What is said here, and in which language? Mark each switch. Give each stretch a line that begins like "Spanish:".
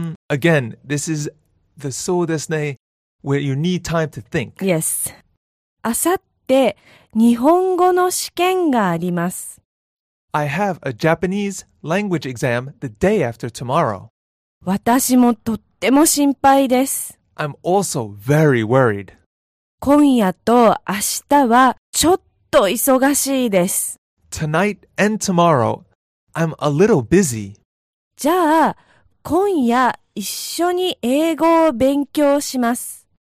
English: Again, this is the
Japanese: そうですね
English: where you need time to think. Yes.
Japanese: 明後日、日本語の試験があります。
English: I have a Japanese language exam the day after tomorrow.
Japanese: 私もとっても心配です。
English: I'm also very worried.
Japanese: 今夜と明日はちょっと忙しいです。
English: Tonight and tomorrow, I'm a little busy.
Japanese: じゃあ、今夜一緒に英語を勉強します。